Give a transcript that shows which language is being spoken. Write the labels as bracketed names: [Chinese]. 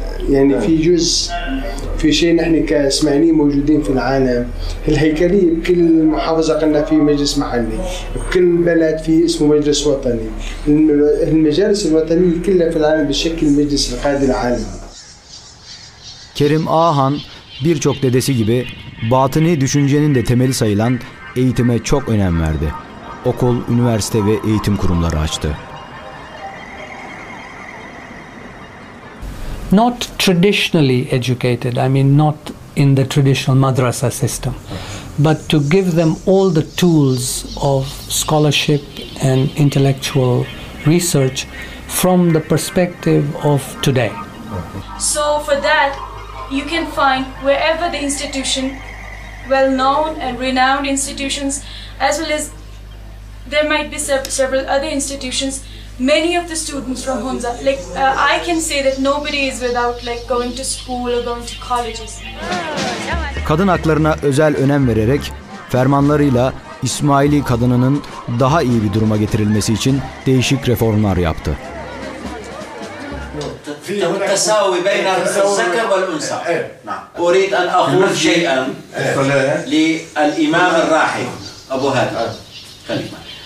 [Arabic] يعني في جزء في شيء نحن كإسماعيليين موجودين في العالم الهيكلية بكل محافظة قلنا في مجلس محلي بكل بلد في اسمه مجلس وطني المجالس الوطنية كلها في العالم بشكل مجلس القاضي العالمي. [Turkish] Kerim Ahan, birçok dedesi gibi batıni düşüncenin de temeli sayılan eğitime çok önem verdi. Okul, üniversite ve eğitim kurumları açtı. [English] Not traditionally educated, I mean not in the traditional madrasa system, but to give them all the tools of scholarship and intellectual research from the perspective of today. So for that, you can find wherever the institution, well-known and renowned institutions, as well as there might be several other institutions, many of the students from Hunza, like I can say that nobody is without like going to school or going to colleges. [Turkish] Kadın haklarına özel önem vererek, fermanlarıyla İsmaili kadınının daha iyi bir duruma getirilmesi için değişik reformlar yaptı. [Arabic] التساوي بين الذكر والأنثى. أريد أن أقول شيئا للإمام الراحل أبو هادي خليفة.